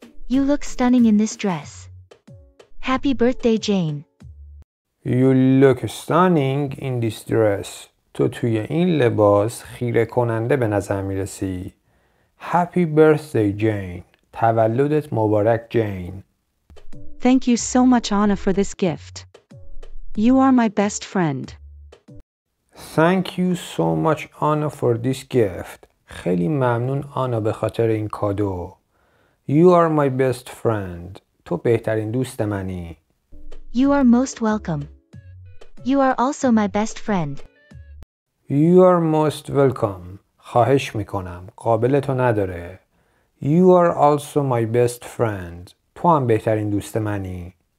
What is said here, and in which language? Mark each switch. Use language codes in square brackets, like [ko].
[en] You look stunning in this dress. Happy birthday, Jane. You look stunning in this dress. [fa] تو توی این لباس خیره کننده به نظر میرسی. [en] Happy birthday, Jane. [fa] تولدت مبارک, Jane. [en] Thank you so much, Anna, for this gift. You are my best friend. Thank you so much, Anna, for this gift. [fa] خیلی ممنون, Anna, به خاطر این کادو. [en] You are my best friend. [fa] تو بهترین دوست منی. [en] You are most welcome. You are also my best friend. You are most welcome. [fa] خواهش میکنم. قابل تو نداره. [en] You are also my best friend. [fa] تو هم بهترین دوست منی.